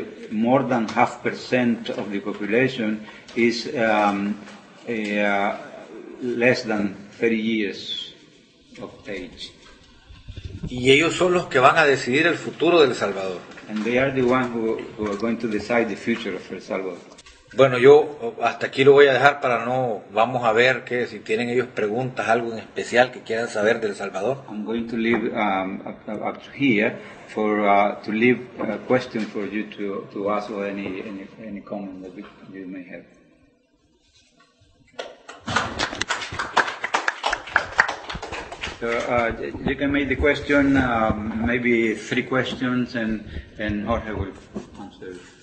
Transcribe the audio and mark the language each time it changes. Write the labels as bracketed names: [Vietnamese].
[English] More than 50% of the population is less than 30 years of age. [Spanish] Y ellos son los que van a decidir el futuro del Salvador. [English] And they are the ones who are going to decide the future of El Salvador. [Spanish] Bueno, yo hasta aquí lo voy a dejar para no... Vamos a ver que si tienen ellos preguntas, algo en especial que quieran saber del Salvador. [English] I'm going to leave up here to leave a question for you to ask or any comment that you may have. So you can make the question, maybe three questions, and Jorge will answer.